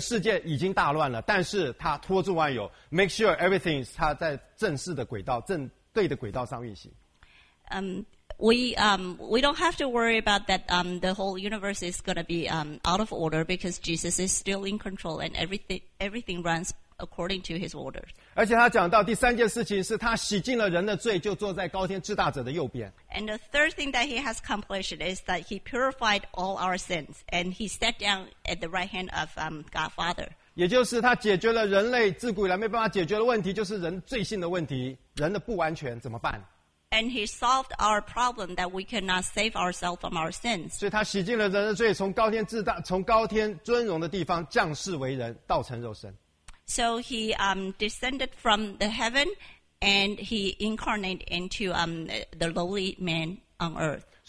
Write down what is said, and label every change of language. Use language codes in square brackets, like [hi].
[zh] 所以我们习以为常的事情，实际上我们忘掉了，这都是神的恩典。因为从创造以后，如果神就离开了，这个世界已经大乱了。但是他托住万有， [en] make sure everything [zh] 他在正式的轨道，正对的轨道上运行。We [en] don't have to worry about that. The whole universe is going to be out of order because Jesus is still in control and everything runs according to His order. [zh] 而且他讲到第三件事情是他洗净了人的罪，就坐在高天至大者的右边。 [en] And the third thing that he has accomplished is that he purified all our sins, and he sat down at the right hand of God Father. [zh] 也就是他解决了人类自古以来没办法解决的问题，就是人罪性的问题，人的不完全怎么办？ [en] And he solved our problem that we cannot save ourselves from our sins. [zh] 所以他洗净了人的罪，从高天至大，从高天尊荣的地方降世为人，道成肉身。 [en] So he descended from the heaven and he incarnated into the lowly man on earth.